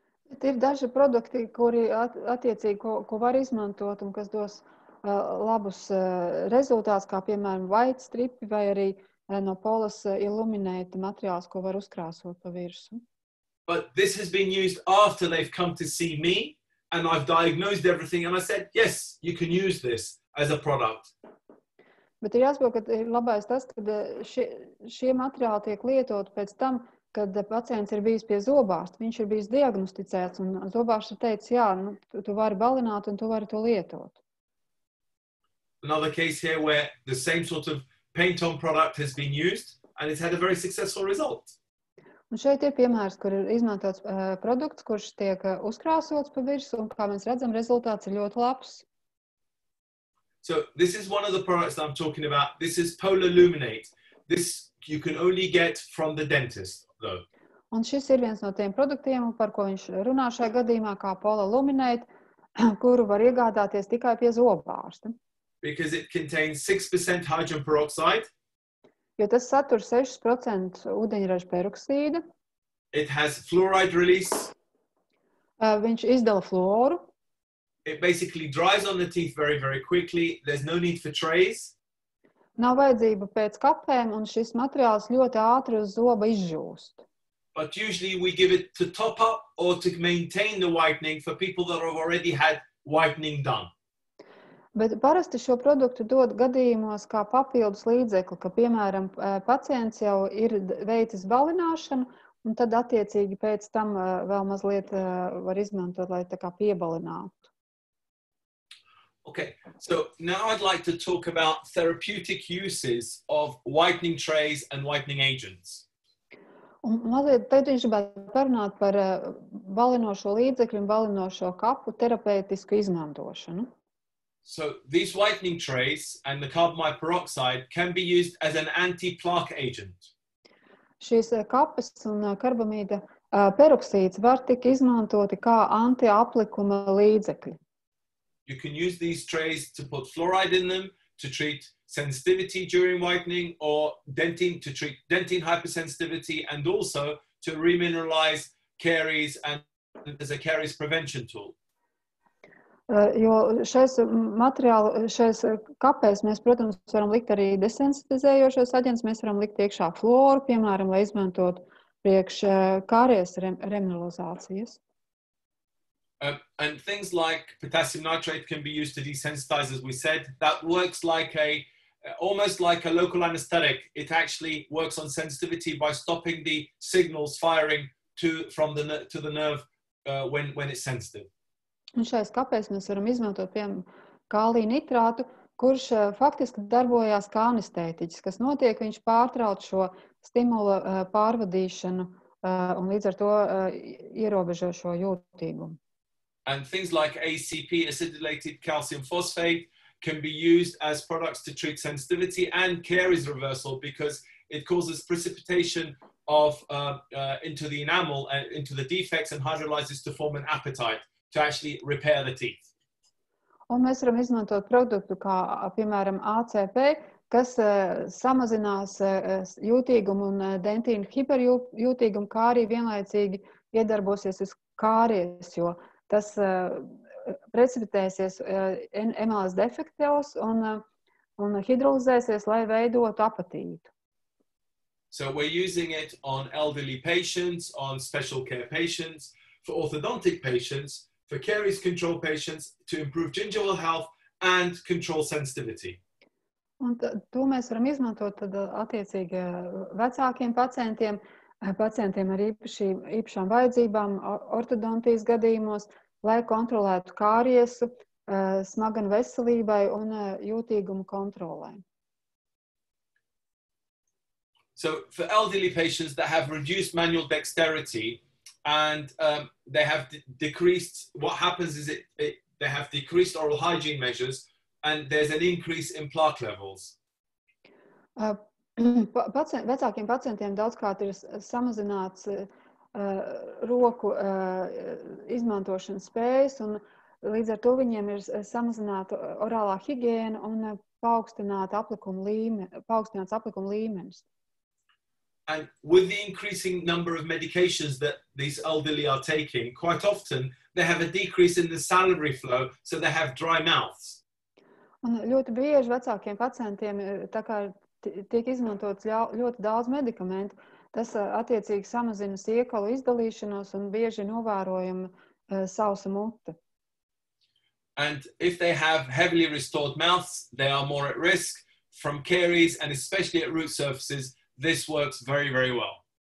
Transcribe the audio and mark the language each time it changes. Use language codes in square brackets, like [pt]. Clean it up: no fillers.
[lv] Bet ir daži produkti, kuri attiecīgi, ko var izmantot un kas dos labus rezultātus, kā piemēram white stripi vai arī no Polas Illuminate materiāls, ko var uzkrāsot pa virsu. [en] But this has been used after they've come to see me and I've diagnosed everything and I said, yes, you can use this as a product. [lv] Bet ir jāsaprot, ka ir labais tas, ka šie materiāli tiek lietoti pēc tam, kad pacients ir bijis pie zobārsta, viņš ir bijis diagnosticēts un zobārsts ir teicis, jā, nu, tu vari balināt un tu vari to lietot. [en] Another case here where the same sort of paint-on product has been used and it's had a very successful result. [lv] Un šeit ir piemērs, kur ir izmantots produkts, kurš tiek uzkrāsots pa virsu, un kā mēs redzam, rezultāts ir ļoti labs. [en] So, this is one of the products that I'm talking about. This is Pola Luminate. This you can only get from the dentist, though. [lv] Un šis ir viens no tiem produktiem, par ko viņš runā šajā gadījumā, kā Pola Luminate, kuru var iegādāties tikai pie zobārsta. [en] Because it contains 6% hydrogen peroxide. [lv] Jo tas satur 6% ūdeņraža peroksīda. [en] It has fluoride release. [lv] Viņš izdala fluoru. [en] It basically dries on the teeth very, very quickly. There's no need for trays. [lv] Nav vajadzība pēc kapēm, un šis materiāls ļoti ātri uz zoba izžūst. [en] But usually we give it to top up or to maintain the whitening for people that have already had whitening done. [lv] Bet parasti šo produktu dod gadījumos kā papildus līdzekli, ka, piemēram, pacients jau ir veicis balināšanu, un tad attiecīgi pēc tam vēl mazliet var izmantot, lai tā kā piebalinātu. [en] Okay, so now I'd like to talk about therapeutic uses of whitening trays and whitening agents. [lv] Un mazliet tad viņš gribētu parunāt par balinošo līdzekļu un balinošo kapu terapeitisku izmantošanu. [en] So these whitening trays and the carbamide peroxide can be used as an anti-plaque agent. [lv] Šīs kapas un karbamīda peroksīds var tik izmantoti kā anti-aplikuma līdzekļi. [en] You can use these trays to put fluoride in them to treat sensitivity during whitening, or dentine to treat dentine hypersensitivity, and also to remineralize caries and as a caries prevention tool. [lv] Jo šais materiāli, šais kapēs mēs, protams, varam likt arī desensitizējošos aģents, mēs varam likt iekšā fluoru, piemēram, lai izmantot priekš karies remineralizācijas. [en] And things like potassium nitrate can be used to desensitize, as we said. That works like almost like a local anesthetic. It actually works on sensitivity by stopping the signals firing to the nerve when it's sensitive. [lv] Un šais kapēs mēs varam izmantot, piemēram, kālija nitrātu, kurš faktiski darbojās kā anestētiķis, kas notiek, viņš pārtrauc šo stimulu pārvadīšanu un līdz ar to ierobežo šo jūtīgumu. [en] And things like ACP, acidulated calcium phosphate, can be used as products to treat sensitivity and caries reversal, because it causes precipitation of into the enamel, into the defects, and hydrolyzes to form an apatite. To actually repair the teeth. [lv] Un mēs varam izmantot produktu kā, piemēram, ACP, kas samazinās jūtīgumu un dentīnu hiperjūtīgumu, kā arī vienlaicīgi iedarbosies uz kāries, jo tas precipitēsies emalas defektos un hidrolizēsies, lai veidotu apatītu. [en] So we're using it on elderly patients, on special care patients, for orthodontic patients, for caries control patients, to improve gingival health and control sensitivity. [lv] Un to mēs varam izmantot tad attiecīgi vecākiem pacientiem, pacientiem ar īpašām vajadzībām ortodontijas gadījumos, lai kontrolētu kāriesu, smagan veselībai un jūtīgumu kontrolēm. [en] So for elderly patients that have reduced manual dexterity, and they have decreased, what happens is they have decreased oral hygiene measures, and there's an increase in plaque levels. [lv] Vecākiem pacientiem daudzkārt ir samazināts roku izmantošanas spējas, un līdz ar to viņiem ir samazināta orālā higiēna un paaugstināts aplikuma līmenis. [en] And with the increasing number of medications that these elderly are taking, quite often they have a decrease in the salivary flow, so they have dry mouths. [lv] Un ļoti bieži vecākiem pacientiem, tā kā tiek izmantots ļoti daudz medikamentu, tas attiecīgi samazina iekalu izdalīšanos un bieži novērojama sausa mute. [en] And if they have heavily restored mouths, they are more at risk from caries, and especially at root surfaces. This works very, very well.